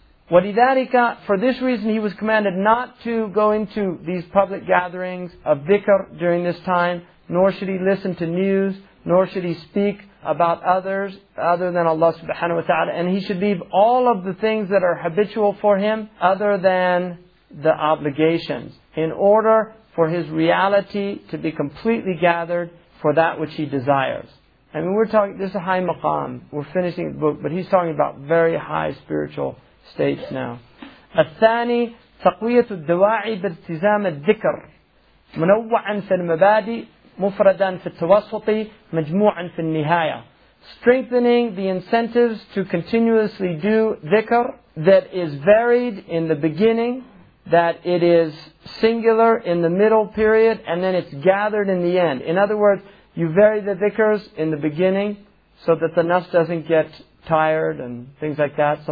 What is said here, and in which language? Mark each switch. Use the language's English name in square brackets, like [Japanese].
[English] ولذلك, for this reason, he was commanded not to go into these public gatherings of dhikr during this time, nor should he listen to news, nor should he speak about others other than Allah subhanahu wa ta'ala, and he should leave all of the things that are habitual for him other than the obligations, in order for his reality to be completely gathered for that which he desires. I mean, we're talking, this is a high maqam, we're finishing the book, but he's talking about very high spiritual states now. [Arabic] الثاني تقوية الدواعي بالتزام الذكر منوعا في المبادي مفردا في التوسط مجموعا في النهاية. [English] Strengthening the incentives to continuously do dhikr that is varied in the beginning, that it is singular in the middle period, and then it's gathered in the end. In other words, you vary the dhikrs in the beginning so that the nafs doesn't get tired and things like that.